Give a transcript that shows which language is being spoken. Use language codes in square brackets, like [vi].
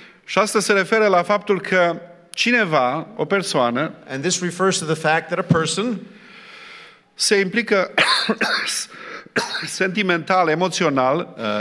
[ro] Și asta se referă la faptul că cineva, o persoană, [en] and this refers to the fact that a person [ro] se implică sentimental, emoțional,